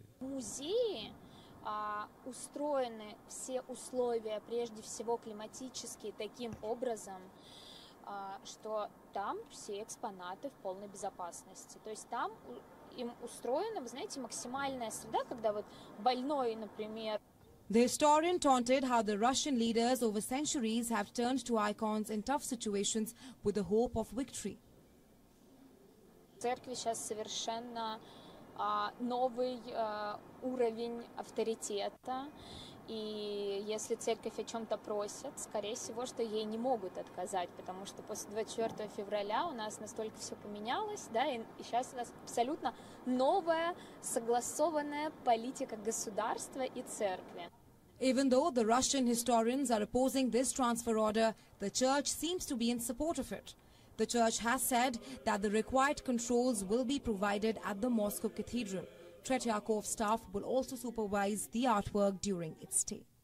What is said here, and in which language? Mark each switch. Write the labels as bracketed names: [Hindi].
[Russian] Музеи устроены все условия, прежде всего климатические, таким образом, что там все экспонаты в полной безопасности. То есть там им устроена, вы знаете, максимальная среда, когда вот больной, например. [English] The historian taunted how the Russian leaders over centuries have turned to icons in tough situations with the hope of victory. [Russian] Церкви сейчас совершенно новый уровень авторитета. И если церковь о чем-то просит, скорее всего, что ей не могут отказать, потому что после 24 февраля у нас настолько все поменялось, да, и сейчас у нас абсолютно новая согласованная политика государства и церкви. [English] Even though the Russian historians are opposing this transfer order, the church seems to be in support of it. The church has said that the required controls will be provided at the Moscow Cathedral. Tretyakov staff will also supervise the artwork during its stay.